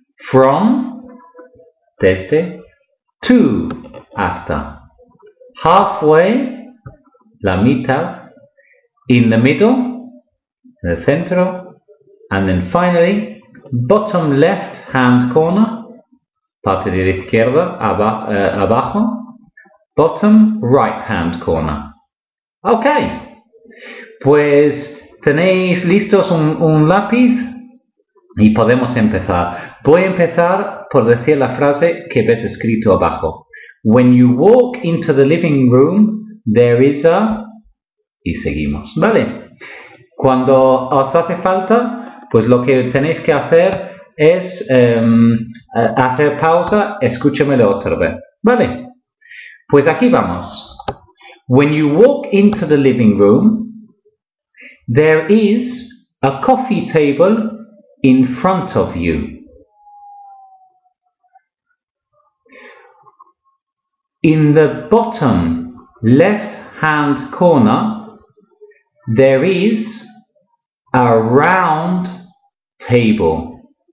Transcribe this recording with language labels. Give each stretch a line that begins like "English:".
English: from,
Spanish: desde,
English: to,
Spanish: hasta,
English: halfway,
Spanish: la mitad,
English: in the middle,
Spanish: en el centro,
English: and then finally, bottom left hand corner,
Spanish: parte de la izquierda, abajo,
English: bottom right hand corner.
Spanish: Ok, pues tenéis listos un lápiz y podemos empezar. Voy a empezar por decir la frase que ves escrito abajo.
English: When you walk into the living room, there is a...
Spanish: Y seguimos, ¿vale? Cuando os hace falta, pues lo que tenéis que hacer es hacer pausa, escúchemelo otra vez, ¿vale? Pues aquí vamos.
English: When you walk into the living room, there is a coffee table in front of you. In the bottom left-hand corner, there is a round table.